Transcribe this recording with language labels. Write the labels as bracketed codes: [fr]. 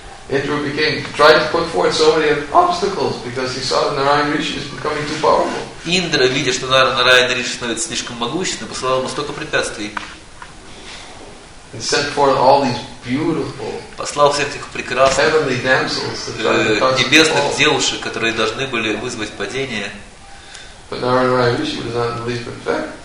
[en] Indra became tried to put forth so many obstacles because he saw that Narayana Rishi is becoming too powerful. [ru] Индра, видя, что Нараяна Риши становится слишком могущественным, посылал ему столько препятствий. [en] And sent forth all these beautiful heavenly damsels, [ru] небесных девушек, которые должны были вызвать падение. [en] But Narayana Rishi was not in the least effect.